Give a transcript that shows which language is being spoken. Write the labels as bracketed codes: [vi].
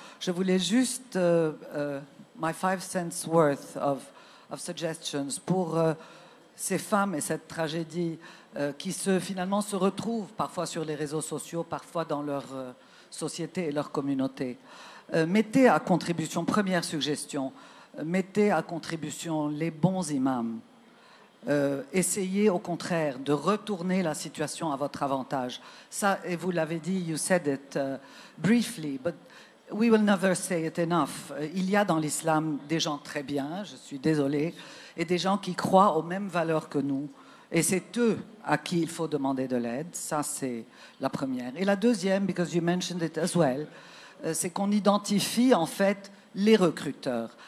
[fr] Je voulais juste [en] my 5 cents worth of suggestions [fr] pour ces femmes et cette tragédie qui se retrouvent parfois sur les réseaux sociaux, parfois dans leur société et leur communauté. Mettez à contribution, première suggestion, mettez à contribution les bons imams. Essayez au contraire de retourner la situation à votre avantage. Ça, et vous l'avez dit, [en] you said it briefly, but we will never say it enough. [fr] Il y a dans l'islam des gens très bien, je suis désolée, et des gens qui croient aux mêmes valeurs que nous. Et c'est eux à qui il faut demander de l'aide. Ça, c'est la première. Et la deuxième, [en] because you mentioned it as well, [fr] c'est qu'on identifie en fait les recruteurs.